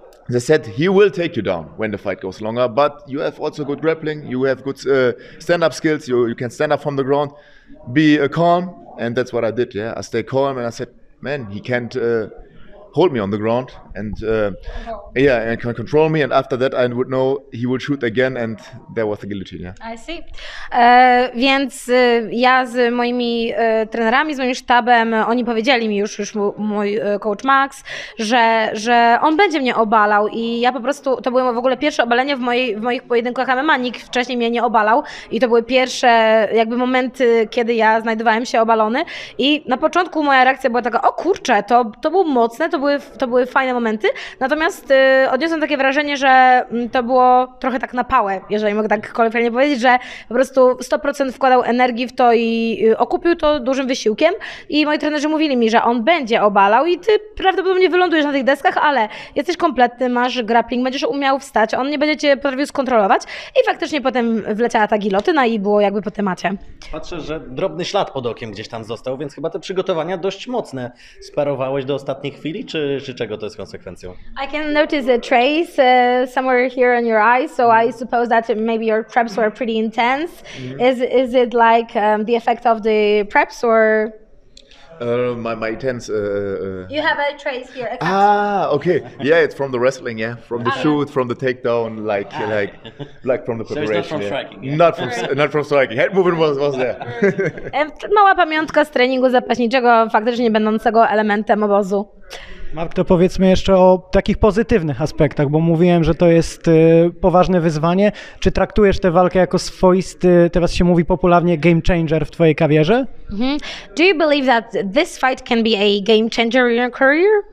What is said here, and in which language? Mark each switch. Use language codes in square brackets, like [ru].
[en] They said he will take you down when the fight goes longer, but you have also good grappling, you have good stand-up skills, you can stand up from the ground, be calm, and that's what I did, yeah? I stayed calm and I said, man, he can't hold me on the ground and and can control me, and after that I would know he would shoot again, and there was the guillotine. Yeah. I see. [pl] Więc ja z moimi trenerami, z moim sztabem, oni powiedzieli mi już mój coach Max, że on będzie mnie obalał, i ja po prostu, to było w ogóle pierwsze obalenie w moich pojedynkach MMA, nikt wcześniej mnie nie obalał, i to były pierwsze jakby momenty, kiedy ja znajdowałem się obalony, i na początku moja reakcja była taka, o kurczę, to było mocne, to były fajne momenty, natomiast odniosłem takie wrażenie, że to było trochę tak na pałę, jeżeli mogę tak kolokwialnie powiedzieć, że po prostu 100% wkładał energii w to i okupił to dużym wysiłkiem, i moi trenerzy mówili mi, że on będzie obalał i ty prawdopodobnie wylądujesz na tych deskach, ale jesteś kompletny, masz grappling, będziesz umiał wstać, on nie będzie cię potrafił skontrolować, i faktycznie potem wleciała ta gilotyna i było jakby po temacie. Patrzę, że drobny ślad pod okiem gdzieś tam został, więc chyba te przygotowania dość mocne sparowałeś do ostatnich chwili, czy czego to jest konsekwencją? [en] I can notice a trace somewhere here on your eyes, so I suppose that maybe your preps were pretty intense. Is it like the effect of the preps or? My intense. You have a trace here. A okay. Yeah, it's from the wrestling. Yeah, from the shoot, from the takedown, like from the preparation. So it's not from striking. Yeah. Not from striking. Head movement was there. [pl] Mała pamiątka z treningu zapaśniczego, faktycznie będącego elementem obozu. Mark, to powiedzmy jeszcze o takich pozytywnych aspektach, bo mówiłem, że to jest poważne wyzwanie. Czy traktujesz tę walkę jako swoisty, teraz się mówi popularnie, game changer w twojej karierze? Mm-hmm. [en] Do you believe that this fight can be a game changer in your career?